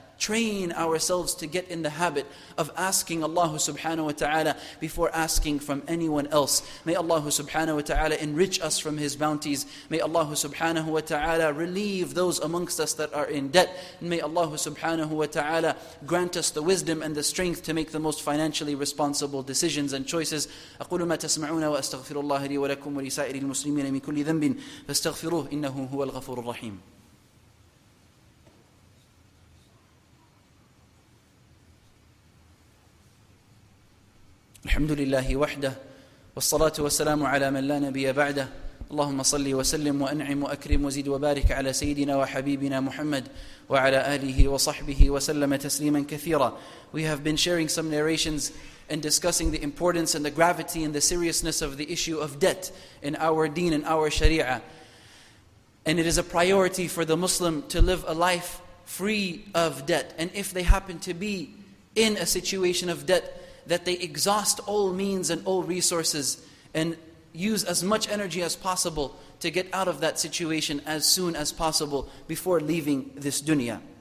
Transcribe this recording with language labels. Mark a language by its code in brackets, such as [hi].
[en] train ourselves to get in the habit of asking Allah subhanahu wa ta'ala before asking from anyone else. May Allah subhanahu wa ta'ala enrich us from His bounties. May Allah subhanahu wa ta'ala relieve those amongst us that are in debt. And may Allah subhanahu wa ta'ala grant us the wisdom and the strength to make the most financially responsible decisions and choices. [ar] أقول ما تسمعون وأستغفر الله لي ولكم ولسائر المسلمين من كل ذنب فاستغفروه إنه هو الغفور الرحيم. الحمد لله وحده والصلاة والسلام على من لا نبي بعده اللهم صل وسلم وأنعم وأكرم وزد وبارك على سيدنا وحبيبنا محمد وعلى آله وصحبه وسلم تسليما كثيرا. [en] We have been sharing some narrations and discussing the importance and the gravity and the seriousness of the issue of debt in our deen and our sharia. And it is a priority for the Muslim to live a life free of debt. And if they happen to be in a situation of debt, that they exhaust all means and all resources and use as much energy as possible to get out of that situation as soon as possible before leaving this dunya.